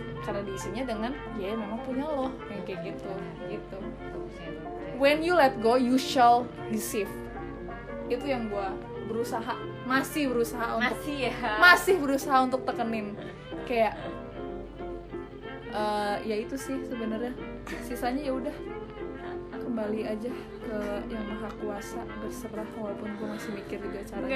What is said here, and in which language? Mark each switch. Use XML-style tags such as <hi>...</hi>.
<id>Karena diisinya dengan ya memang punya lu yang kayak gitu. Gitu.</id> <en>When you let go, you shall receive.</en> <id>Itu yang gua berusaha, masih berusaha untuk masih berusaha untuk tekenin kayak ya itu sih sebenarnya sisanya ya udah kembali aja ke yang maha kuasa, berserah walaupun gua masih mikir juga cara</id>